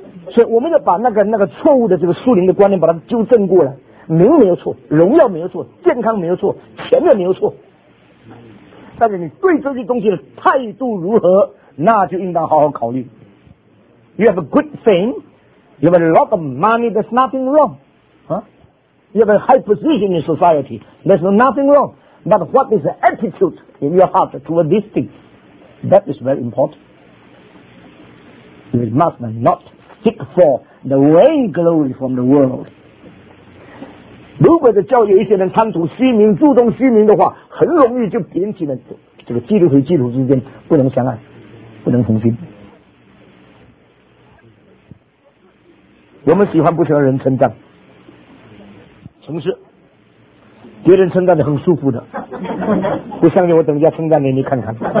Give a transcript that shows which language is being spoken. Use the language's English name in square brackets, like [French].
[Chinese] 所以我们要把那个错误的这个树林的观念把它纠正过来，名没有错，荣耀没有错，健康没有错，钱也没有错，但是你对这些东西的态度如何，那就应当好好考虑。 [English] You have a good thing, you have a lot of money, there's nothing wrong. You have a high position in society. There's nothing wrong. But what is the attitude in your heart toward these things? That is very important. You must not seek for the vain glory from the world. [Chinese] 如果在教育一些人贪图虚名，注重虚名的话，很容易就引起了这个基督和基督之间不能相爱，不能同心。我们喜欢不喜欢人称赞？城市别人称赞的很舒服的，不相信我等一下称赞你，你看看。